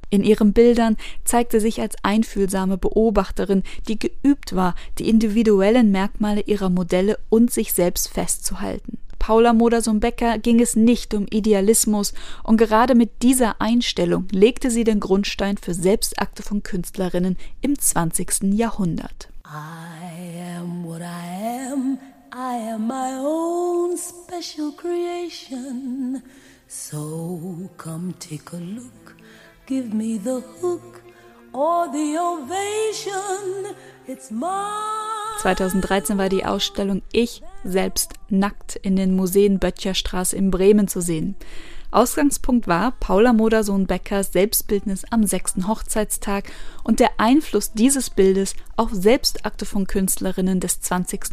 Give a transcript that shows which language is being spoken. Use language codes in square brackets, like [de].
[de] In ihren Bildern zeigte sie sich als einfühlsame Beobachterin, die geübt war, die individuellen Merkmale ihrer Modelle und sich selbst festzuhalten. Paula Modersohn-Becker ging es nicht um Idealismus und gerade mit dieser Einstellung legte sie den Grundstein für Selbstakte von Künstlerinnen im 20. Jahrhundert. [en] I am what I am my own special creation. So come take a look, give me the hook or the ovation. It's mine. [de] 2013 war die Ausstellung Ich selbst nackt in den Museen Böttcherstraße in Bremen zu sehen. Ausgangspunkt war Paula Modersohn-Beckers Selbstbildnis am 6. Hochzeitstag und der Einfluss dieses Bildes auf Selbstakte von Künstlerinnen des 20.